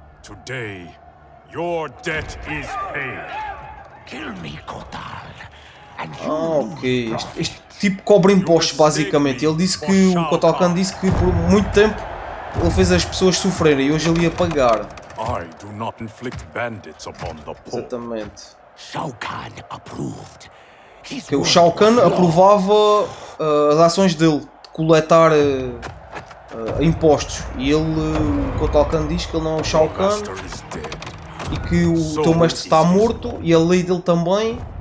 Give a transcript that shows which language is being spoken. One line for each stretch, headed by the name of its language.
English: Today, your debt is paid. Kill me, Kotal. Ah, ok.
Portuguese: Este tipo cobra impostos, basicamente. Ele disse que o Kotal Kahn disse que por muito tempo ele fez as pessoas sofrerem e hoje ele ia pagar.
English: I do not inflict bandits upon the poor.
Portuguese: Exatamente.
English: Shao Kahn approved.
Portuguese: Que o Shao Kahn aprovava as ações dele de coletar impostos. E ele, o Kotal Kahn, diz que ele não é o Shao Kahn e que o teu mestre está morto e a lei dele também.